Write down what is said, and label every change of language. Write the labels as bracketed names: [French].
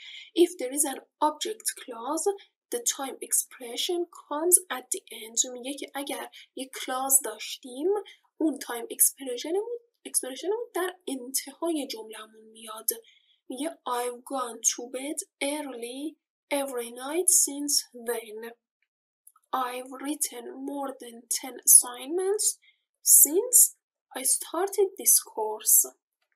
[English] If there is an object clause, the time expression comes at the end. [Persian] میگه که اگر یک clause داشتیم، اون time expressionمون در انتهای جملهمون میاد. میگه [English] I've gone to bed early every night since then. I've written more than 10 assignments since I started this course.